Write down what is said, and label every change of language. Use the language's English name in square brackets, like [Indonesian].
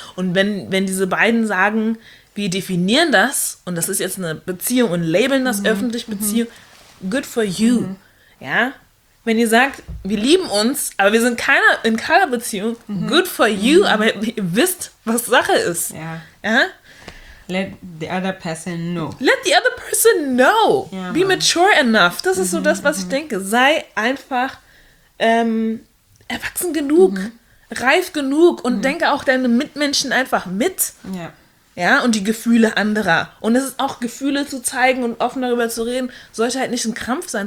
[German] Und wenn diese beiden sagen, wir definieren das und das ist jetzt eine Beziehung und labeln das öffentlich Beziehung, [English] good for you. [German] Mhm. Ja? Wenn ihr sagt, wir lieben uns, aber wir sind in keiner Beziehung, [English] good for you, [German] aber ihr wisst, was Sache ist. Ja. Ja? [English] Let the other person know. Let the other person know. [German] Ja, [English] be mature enough. [German] Das ist so das, was ich denke. Sei einfach erwachsen genug, reif genug und denke auch deine Mitmenschen einfach mit. Ja. Ja, und die Gefühle anderer. Und es ist auch, Gefühle zu zeigen und offen darüber zu reden, sollte halt nicht ein Krampf sein.